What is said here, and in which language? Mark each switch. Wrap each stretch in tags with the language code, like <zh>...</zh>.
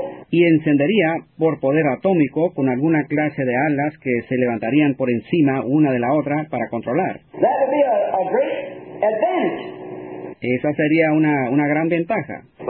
<es>Y encendería por poder atómico con alguna clase de alas que se levantarían por encima una de la otra para controlar.</es> <en>That would be a great advantage.</en> <es>Esa sería una gran ventaja.</es>